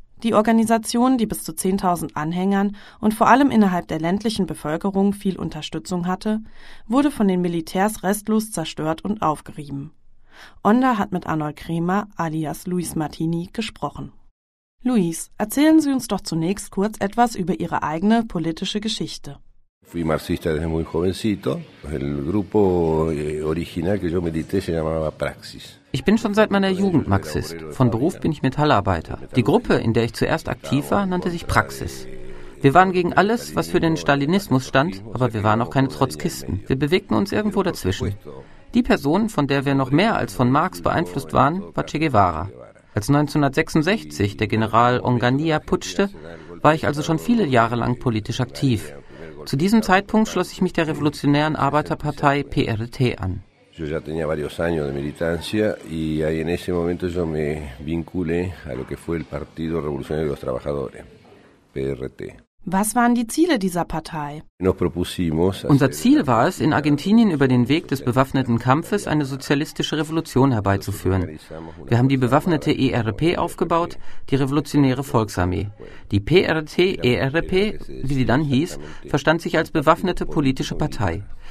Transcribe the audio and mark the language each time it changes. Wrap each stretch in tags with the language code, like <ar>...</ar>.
<de>Die Organisation, die bis zu 10.000 Anhängern und vor allem innerhalb der ländlichen Bevölkerung viel Unterstützung hatte, wurde von den Militärs restlos zerstört und aufgerieben. Onda hat mit Arnold Kremer alias Luis Martini gesprochen. Luis, erzählen Sie uns doch zunächst kurz etwas über Ihre eigene politische Geschichte.</de> <es>Fui marxista desde muy jovencito. El grupo original que yo milité se llamaba Praxis.</es> <de>Ich bin schon seit meiner Jugend Marxist. Von Beruf bin ich Metallarbeiter. Die Gruppe, in der ich zuerst aktiv war, nannte sich Praxis. Wir waren gegen alles, was für den Stalinismus stand, aber wir waren auch keine Trotzkisten. Wir bewegten uns irgendwo dazwischen. Die Person, von der wir noch mehr als von Marx beeinflusst waren, war Che Guevara. Als 1966 der General Onganía putschte, war ich also schon viele Jahre lang politisch aktiv. Zu diesem Zeitpunkt schloss ich mich der revolutionären Arbeiterpartei PRT an.</de> <es>Yo ya tenía varios años de militancia y ahí en ese momento yo me vinculé a lo que fue el Partido Revolucionario de los Trabajadores, PRT.</es> <de>Was waren die Ziele dieser Partei? Unser Ziel war es, in Argentinien über den Weg des bewaffneten Kampfes eine sozialistische Revolution herbeizuführen. Wir haben die bewaffnete ERP aufgebaut, die Revolutionäre Volksarmee. Die PRT-ERP, wie sie dann hieß, verstand sich als bewaffnete politische Partei.</de>